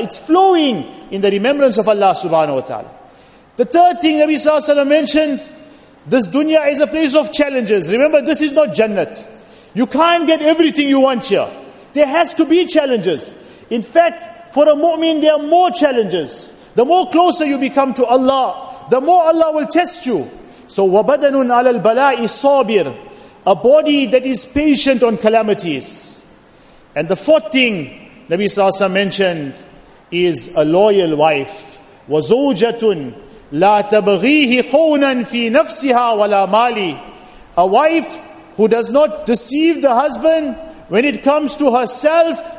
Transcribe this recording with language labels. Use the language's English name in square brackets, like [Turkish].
[English] It's flowing in the remembrance of Allah subhanahu wa ta'ala. The third thing Nabi sallallahu alayhi wa sallam mentioned, this dunya is a place of challenges. Remember, this is not Jannat. You can't get everything you want here. There has to be challenges. In fact, for a mu'min, there are more challenges. The more closer you become to Allah, the more Allah will test you. [Arabic] So, وَبَدَنٌ عَلَى الْبَلَاءِ صَابِرٌ. [English] A body that is patient on calamities. And the fourth thing Nabi sallallahu alaihi wasallam mentioned is a loyal wife. [Arabic] وَزَوْجَةٌ لَا تَبْغِيهِ خَوْنًا فِي نَفْسِهَا وَلَا مَالِ. [English] A wife who does not deceive the husband when it comes to herself.